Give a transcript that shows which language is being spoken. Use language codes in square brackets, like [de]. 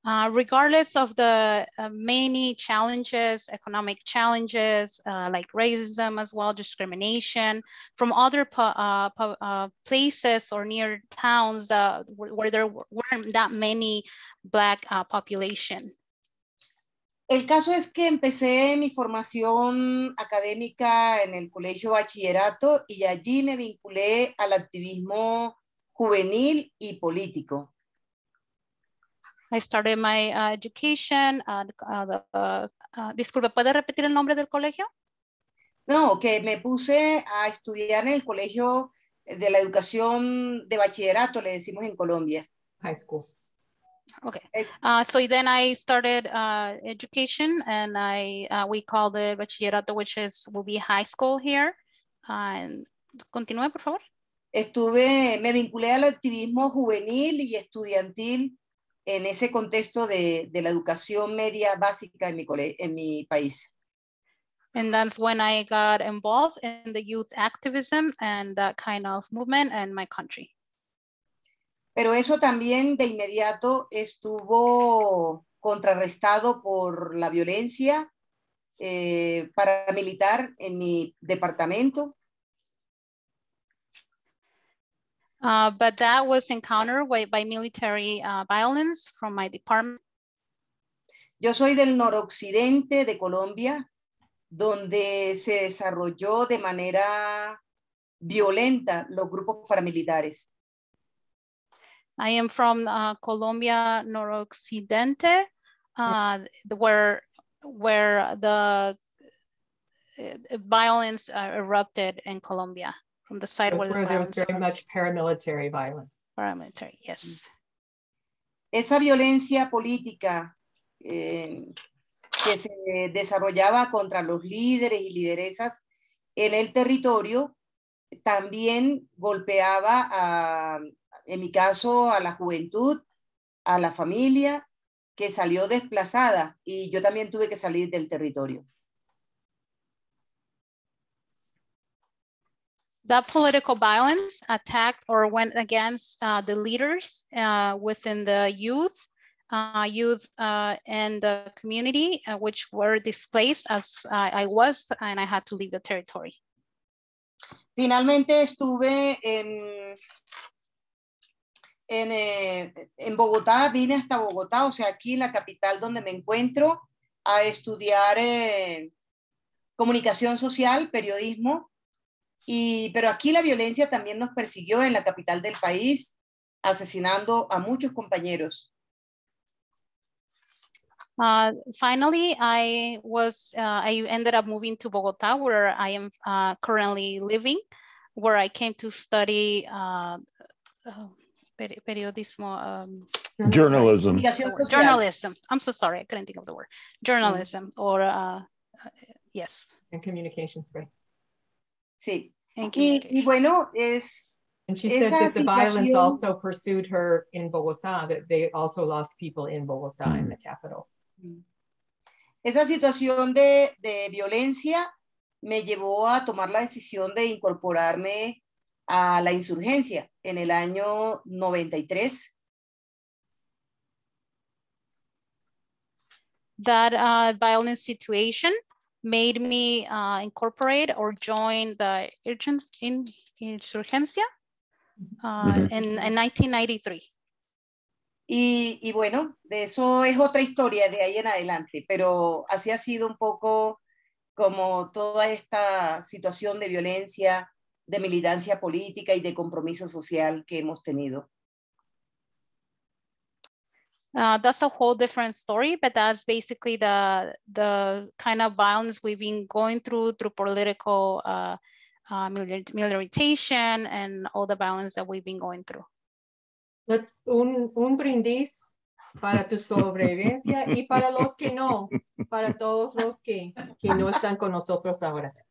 [en] Regardless of the many challenges, economic challenges, like racism as well, discrimination from other places or near towns where there weren't that many Black population. [es] El caso es que empecé mi formación académica en el colegio bachillerato y allí me vinculé al activismo juvenil y político. [en] I started my education at [es] disculpe, ¿puede repetir el nombre del colegio? No, que me puse a estudiar en el colegio de la educación de bachillerato, le decimos en Colombia. [en] High school. Okay. So then I started education and we call the bachillerato, which is will be high school here. [es] Continúe, por favor. Me vinculé al activismo juvenil y estudiantil en ese contexto de la educación media básica en mi país. [en] And that's when I got involved in the youth activism and that kind of movement in my country. [es] Pero eso también de inmediato estuvo contrarrestado por la violencia paramilitar en mi departamento. [en] But that was encountered by military violence from my department. [es] Yo soy del noroccidente de Colombia, donde se desarrolló de manera violenta los grupos paramilitares. [en] I am from Colombia noroccidente, where the violence erupted in Colombia. From the side where there was very much paramilitary violence. Paramilitary, yes. [es] Esa violencia política que se desarrollaba contra los líderes y lideresas en el territorio también golpeaba a, en mi caso, a la juventud, a la familia que salió desplazada y yo también tuve que salir del territorio. [en] That political violence attacked or went against the leaders within the youth and the community, which were displaced as I was, and I had to leave the territory. [es] Finalmente estuve en Bogotá, vine hasta Bogotá, o sea, aquí en la capital donde me encuentro, a estudiar comunicación social, periodismo. Pero aquí la violencia también nos persiguió en la capital del país, asesinando a muchos compañeros. [en] Finally, I ended up moving to Bogotá, where I am currently living, where I came to study periodismo. Journalism. Journalism. I'm so sorry, I couldn't think of the word. Journalism, mm-hmm. Or yes. And communications, right? [es] Sí. Y bueno, [en] and she said that the violence also pursued her in Bogotá, that they also lost people in Bogotá, in the capital. [es] Esa situación de violencia me llevó a tomar la decisión de incorporarme a la insurgencia en el año 93. [en] that violent situation made me incorporate or join the insurgencia in 1993. [es] Y bueno, de eso es otra historia de ahí en adelante, pero así ha sido un poco como toda esta situación de violencia, de militancia política y de compromiso social que hemos tenido. [en] That's a whole different story, but that's basically the kind of violence we've been going through through political militarization and all the violence that we've been going through. [es] That's un brindis para tu sobrevivencia y para los que no, para todos los que no están con nosotros ahora.